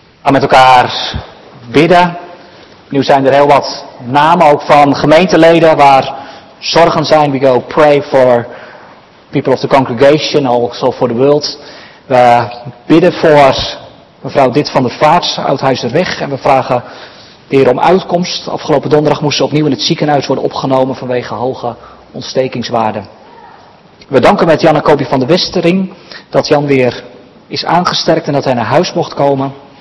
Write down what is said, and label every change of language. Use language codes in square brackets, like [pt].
[nl] met elkaar bidden. Nu zijn er heel wat namen ook van gemeenteleden waar zorgen zijn. [en] We go pray for people of the congregation, also for the world. [nl] We bidden voor mevrouw Dit van der Vaart, Oudhuizerweg. En we vragen de Heer om uitkomst. Afgelopen donderdag moest ze opnieuw in het ziekenhuis worden opgenomen vanwege hoge ontstekingswaarden. We danken met Jan en Kobi van de Westering dat Jan weer is aangesterkt en dat hij naar huis mocht komen.